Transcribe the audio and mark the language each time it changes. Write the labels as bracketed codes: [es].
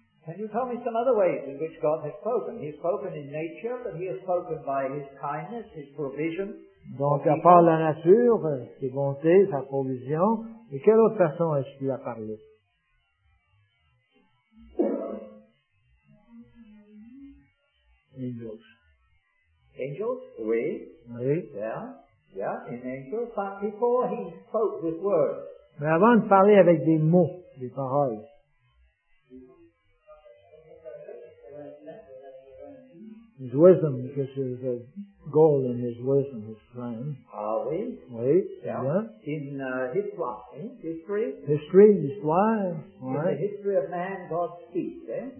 [en] Can you tell me some other ways in which God has spoken? He has spoken in nature, but he has spoken by his kindness, his provision. [fr] Donc à part la nature, ses bontés, sa provision, et quelle autre façon est-ce qu'il a parlé? [en] Angels. Angels? [fr] Oui. Oui. [en] Yeah. Yeah, in angels. But before he spoke with words. [fr] Mais avant de parler avec des mots, des paroles. [en] His wisdom, because there is a goal in his wisdom, his plan. Are we? [fr] Oui. [en] Yeah. Yeah. In history. History? History, [fr] l'histoire. Oui. [en] In the history of man, God speaks, eh?